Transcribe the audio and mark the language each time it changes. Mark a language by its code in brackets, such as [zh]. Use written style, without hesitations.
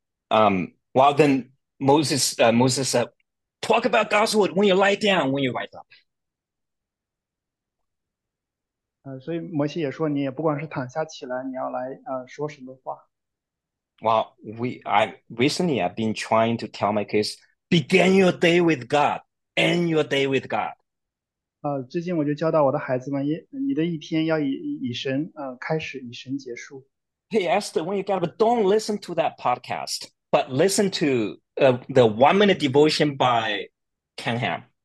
[en] Well, then Moses said, "Talk about God's word when you lie down, when you rise up." [zh] 所以摩西也说，你也不管是躺下起来，你要来说什么话。 [en] Well, I've been trying to tell my kids, begin your day with God, end your day with God. [zh] 最近我就教导我的孩子们，你的一天要以神开始，以神结束。 [en] Hey, Esther, when you get up, don't listen to that podcast, but listen to the 1 minute devotion by Ken Ham.